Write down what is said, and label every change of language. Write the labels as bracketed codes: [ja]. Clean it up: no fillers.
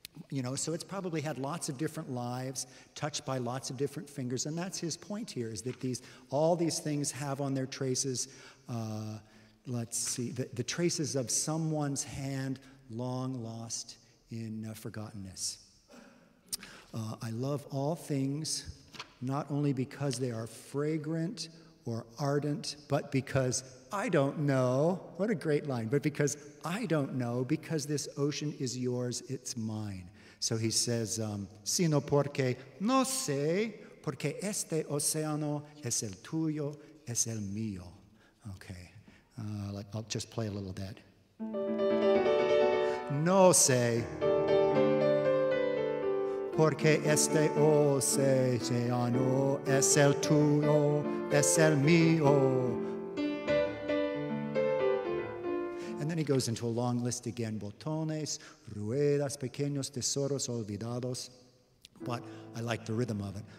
[en] You know, so it's probably had lots of different lives, touched by lots of different fingers, and that's his point here, is that all these things have on their traces, let's see, the traces of someone's hand long lost in forgottenness. I love all things, not only because they are fragrant or ardent, but because I don't know, what a great line, but because I don't know, because this ocean is yours, it's mine. So he says, [es] sino porque no sé, porque este océano es el tuyo, es el mío. [en] Okay, I'll just play a little of that. [es] No sé, porque este océano es el tuyo, es el mío. [en] He goes into a long list again, [es] botones, ruedas, pequeños tesoros olvidados, [en] but I like the rhythm of it.